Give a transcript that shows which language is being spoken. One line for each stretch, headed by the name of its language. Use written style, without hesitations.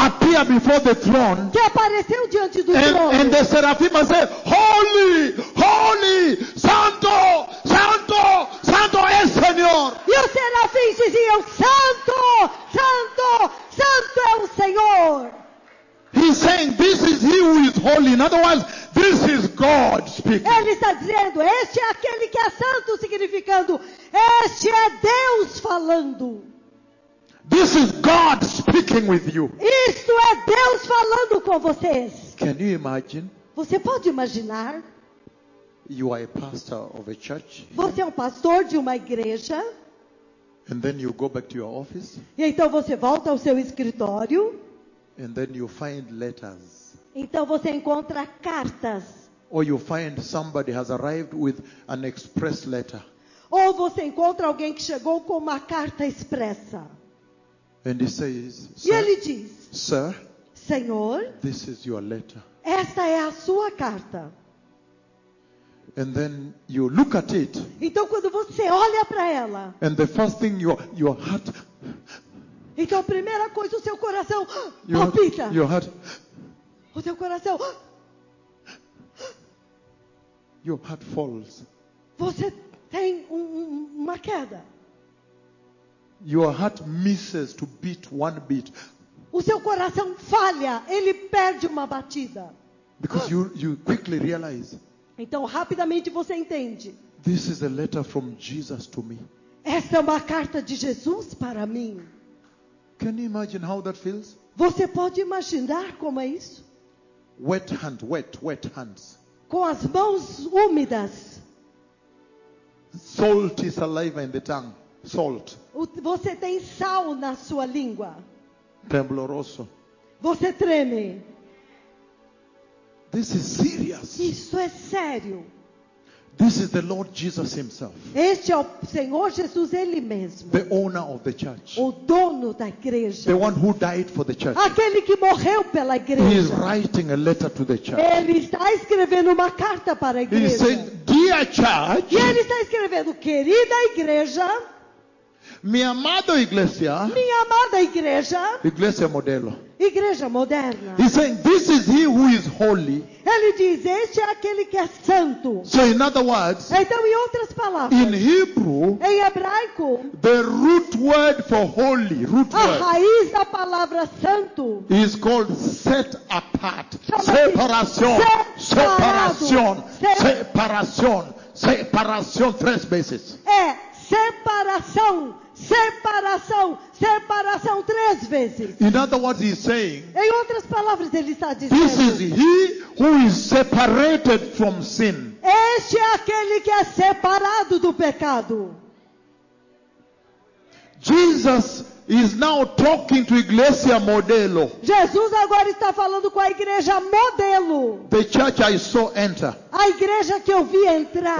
English: Appear before the throne.
Portuguese: Que apareceu diante do
English: trono. And the seraphim said, holy, holy,
Portuguese: santo, santo, santo é Senhor. E os serafins diziam, santo, santo, santo é o Senhor.
English: He's saying, this is he who is holy. In other words, this is God speaking.
Portuguese: Ele está dizendo, este é aquele que é santo, significando, este é Deus falando.
English: This is God speaking with you.
Portuguese: Isto é Deus falando com vocês.
English: Can you imagine?
Portuguese: Você pode imaginar?
English: You are a pastor of a church.
Portuguese: Você é um pastor de uma igreja.
English: And then you go back to your office.
Portuguese: E então você volta ao seu escritório.
English: And then you find letters.
Portuguese: Então você encontra cartas.
English: Or you find somebody has arrived with an express letter.
Portuguese: Ou você encontra alguém que chegou com uma carta expressa.
English: And he says,
Portuguese: e ele diz,
English: sir,
Portuguese: Senhor,
English: this is your letter.
Portuguese: Esta é a sua carta.
English: And then you look at it.
Portuguese: Então quando você olha para ela.
English: And the first thing your heart.
Portuguese: Então a primeira coisa o seu coração palpita.
English: Your heart.
Portuguese: O seu coração.
English: Your heart falls.
Portuguese: Você tem uma queda.
English: Your heart misses to beat one beat.
Portuguese: O seu coração falha, ele perde uma batida.
English: Because you quickly realize.
Portuguese: Então rapidamente você entende.
English: This is a letter from Jesus to me.
Portuguese: Esta é uma carta de Jesus para mim.
English: Can you imagine how that feels?
Portuguese: Você pode imaginar como é isso?
English: Wet hand, wet hands.
Portuguese: Com as mãos úmidas.
English: Salty saliva in the tongue. Salt.
Portuguese: Você tem sal na sua língua.
Spanish: Tembloroso.
Portuguese: Você treme.
English: This is serious.
Portuguese: Isso é sério.
English: This is the Lord Jesus himself.
Portuguese: Este é o Senhor Jesus ele mesmo.
English: The owner of the church.
Portuguese: O dono da igreja.
English: The one who died for the church.
Portuguese: Aquele que morreu pela igreja.
English: He is writing a letter to the church.
Portuguese: Ele está escrevendo uma carta para a igreja.
English: He said, dear church.
Portuguese: E ele está escrevendo, querida igreja. Minha amada igreja. Igreja modelo. Igreja moderna.
English: He saying this is he who is holy.
Portuguese: Ele diz, este é aquele que é santo.
English: So in other words.
Portuguese: Então, em outras palavras.
English: In Hebrew.
Portuguese: Em hebraico.
English: The root word for holy, root a word.
Portuguese: A raiz da palavra santo.
English: Is called set apart.
Portuguese: Separação. Três vezes. É separação. Separação três vezes.
English: In other words, he's saying.
Portuguese: Em outras palavras, ele está dizendo.
English: This is he who is separated from sin.
Portuguese: Este é aquele que é separado do pecado.
English: Jesus is now talking to Iglesia Modelo.
Portuguese: Jesus agora está falando com a igreja modelo.
English: The church I saw enter.
Portuguese: A igreja que eu vi entrar.